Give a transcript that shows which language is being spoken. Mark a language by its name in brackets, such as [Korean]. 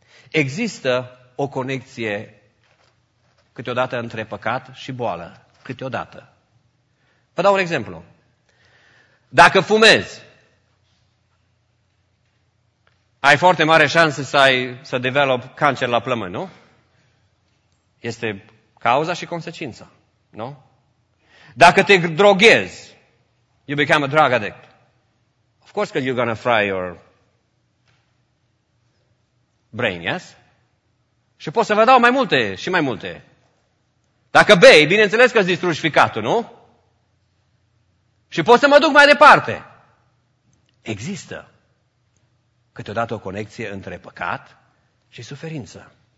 [Romanian] Există o conexie câteodată între păcat și boală. Câteodată. Vă dau un exemplu. Dacă fumezi, ai foarte mare șansă să develop cancer la plămâni, nu? Este cauza și consecința, nu? Dacă te droghezi, [English] you become a drug addict. Of course that you're going to fry your brain, yes? [Romanian] Și pot să vă dau mai multe și mai multe. Dacă bei, bineînțeles că îți distrugi ficatul, nu? Și pot să mă duc mai departe. Există câteodată o conexie între păcat și suferință.